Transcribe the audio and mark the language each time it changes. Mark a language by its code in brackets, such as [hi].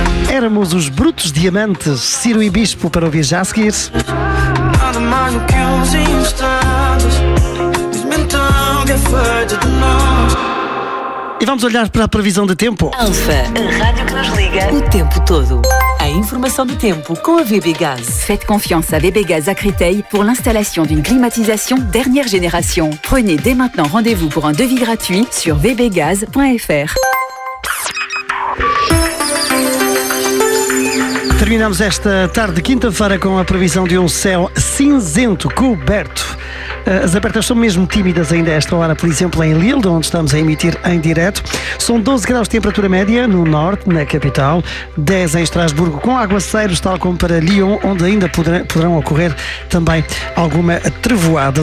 [pt] Éramos os brutos diamantes, Ciro e Bispo, para ouvir já a seguir. Nada mais do que uns instantes. Desmentam o que é feito de nós. E vamos olhar para a previsão de tempo. Alfa, a rádio que nos liga o tempo todo. A informação do tempo com a VB Gaz. [fr] Faites confiance à VB Gaz à Créteil pour l'installation d'une climatisation dernière génération. Prenez dès maintenant rendez-vous pour un devis gratuit sur vbgaz.fr. [pt] Terminamos esta tarde, quinta-feira, com a previsão de um céu cinzento coberto. As abertas são mesmo tímidas ainda a esta hora, por exemplo, em Lille, onde estamos a emitir em direto. São 12 graus de temperatura média no norte, na capital, 10 em Estrasburgo, com aguaceiros, tal como para Lyon, onde ainda poderão ocorrer também alguma trevoada.